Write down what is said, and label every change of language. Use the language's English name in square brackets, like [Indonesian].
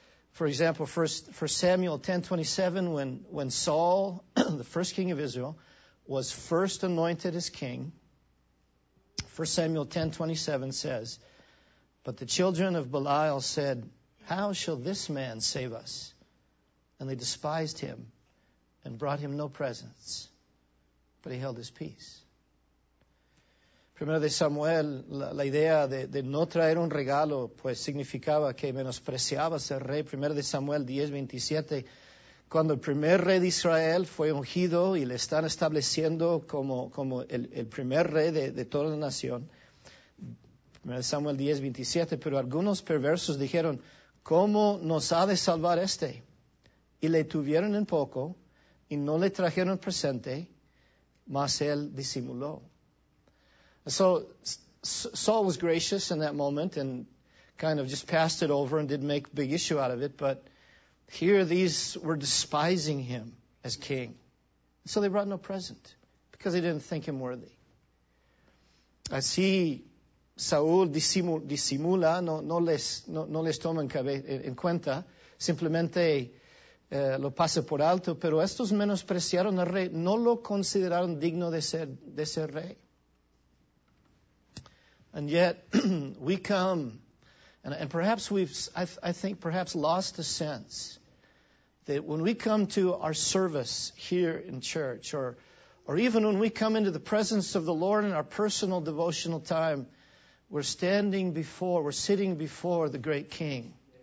[English] For example, First Samuel 10:27, when Saul, the first king of Israel, was first anointed as king, 1 Samuel 10:27 says, but the children of Belial said, how shall this man save us? And they despised him and brought him no presents, but he held his peace. [Spanish] Primero de Samuel, la idea de no traer un regalo, pues significaba que menospreciabas al rey. Primero de Samuel 10:27, cuando el primer rey de Israel fue ungido y le están estableciendo como el primer rey de toda la nación. Primero de Samuel 10:27, pero algunos perversos dijeron, ¿cómo nos ha de salvar este? Y le tuvieron en poco y no le trajeron presente, mas él disimuló. [English] So Saul was gracious in that moment and kind of just passed it over and didn't make a big issue out of it. But here these were despising him as king. So they brought no present because they didn't think him worthy. [Spanish] Así, Saúl disimula, no les toma en cuenta, simplemente lo pasa por alto, pero estos menospreciaron al rey, no lo consideraron digno de ser rey. [English] And yet, we come, and perhaps I think perhaps lost the sense that when we come to our service here in church, or even when we come into the presence of the Lord in our personal devotional time, we're sitting before the great King.